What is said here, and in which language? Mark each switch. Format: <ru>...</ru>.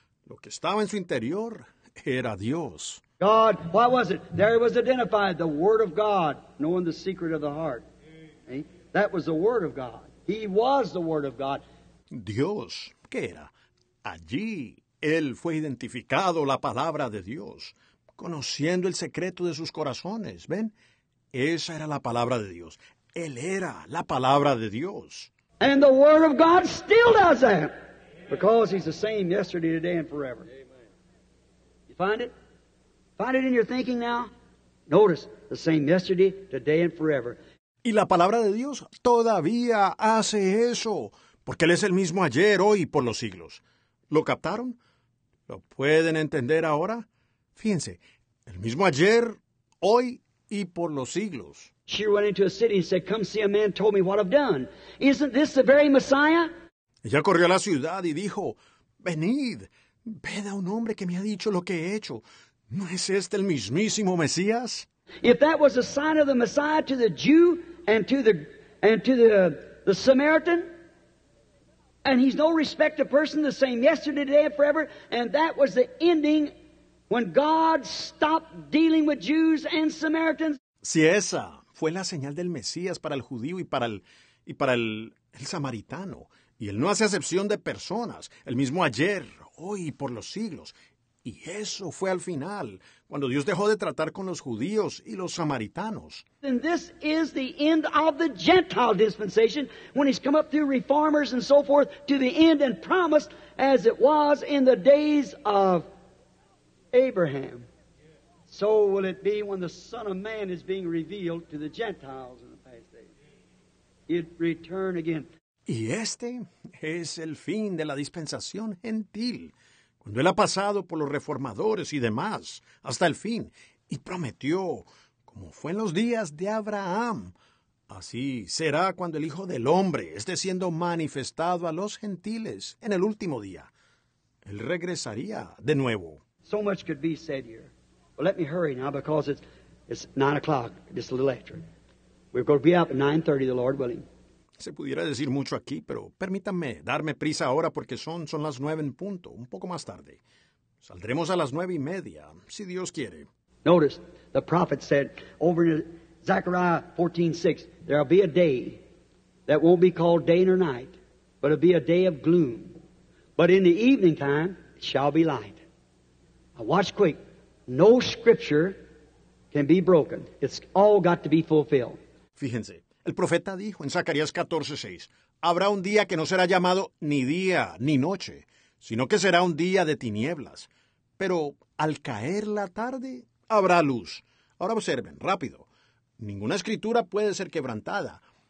<es>Lo que estaba en su interior era Dios.</es> <en>God, what was it? There it was identified, the Word of God, knowing the secret of the heart. That was the Word of God. He was the Word of God.</en> <es>Dios, ¿qué era? Allí, él fue identificado la palabra de Dios, conociendo el secreto de sus corazones. ¿Ven? Esa era la palabra de Dios. Él era la palabra de Dios.</es> <en>And the Word of God still does that. Because He's the same yesterday, today, and forever. You find it? Find it in your thinking now? Notice, the same yesterday, today, and forever.</en> <es>Y la palabra de Dios todavía hace eso, porque Él es el mismo ayer, hoy y por los siglos. ¿Lo captaron? ¿Lo pueden entender ahora? Fíjense, el mismo ayer, hoy y por los siglos.</es> <en>She went into a city and said, come see a man told me what I've done. Isn't this the very Messiah?</en> <es>Ella corrió a la ciudad y dijo, venid, ved a un hombre que me ha dicho lo que he hecho. ¿No es este el mismísimo Mesías?</es> <en>If that was a sign of the Messiah to the Jew and to the Samaritan, and he's no respected person, the same yesterday, today, and forever. And that was the ending when God stopped dealing with Jews and Samaritans.</en> <es>Si esa fue la señal del Mesías para el judío y para el samaritano, y él no hace acepción de personas, el mismo ayer, hoy y por los siglos. Y eso fue al final, cuando Dios dejó de tratar con los judíos y los samaritanos.</es> <en>And this is the end of the Gentile dispensation, when he's come up through reformers and so forth to the end and promised as it was in the days of Abraham. So will it be when the Son of Man is being revealed to the Gentiles in the past days. It return again.</en> <es>Y este es el fin de la dispensación gentil. Cuando él ha pasado por los reformadores y demás, hasta el fin, y prometió, como fue en los días de Abraham, así será cuando el Hijo del Hombre esté siendo manifestado a los gentiles en el último día. Él regresaría de nuevo.</es> <en>So much could be said here. Well, let me hurry now because it's 9 o'clock, just a little after. We're going to be up at 9:30, the Lord willing.</en> <es>Se pudiera decir mucho aquí, pero permítanme darme prisa ahora porque son las 9 en punto, un poco más tarde. Saldremos a las 9:30, si Dios quiere.</es> <en>Notice, the prophet said over in Zechariah 14:6, there'll be a day that won't be called day nor night, but it'll be a day of gloom. But in the evening time, it shall be light. Now watch quick. No scripture can be broken. It's all got to be fulfilled.</en> <es>Fíjense. El profeta dijo en Zacarías 14:6, habrá un día que no será llamado ni día ni noche, sino que será un día de tinieblas. Pero al caer la tarde, habrá luz. Ahora observen, rápido. Ninguna escritura puede ser quebrantada.</es>